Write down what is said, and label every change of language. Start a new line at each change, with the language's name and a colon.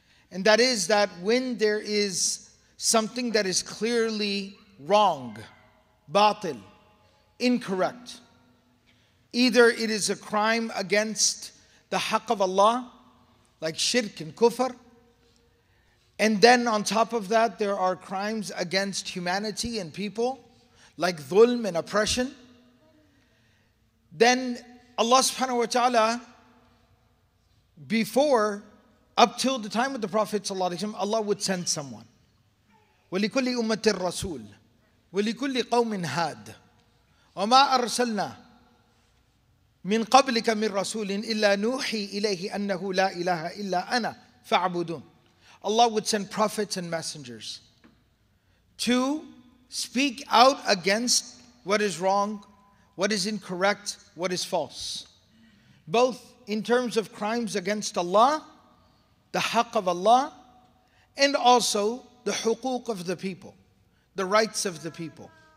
English: And that is that when there is something that is clearly wrong, batil, incorrect, either it is a crime against the haqq of Allah, like shirk and kufr, and then on top of that, there are crimes against humanity and people, like dhulm and oppression, then Allah subhanahu wa ta'ala, before, up till the time of the Prophet sallallahu alayhi wa sallam, Allah would send someone.
Arabic: وَلِكُلِّ أُمَّةٍ رَسُولٍ وَلِكُلِّ قَوْمٍ هَادٍ وما أرسلنا من قبلك من رسول إلا نوحي إليه أنه لا إله إلا أنا فاعبدون.
English: Allah would send prophets and messengers to speak out against what is wrong, what is incorrect, what is false, both in terms of crimes against Allah, the haqq of Allah, and also the huquq of the people, the rights of the people.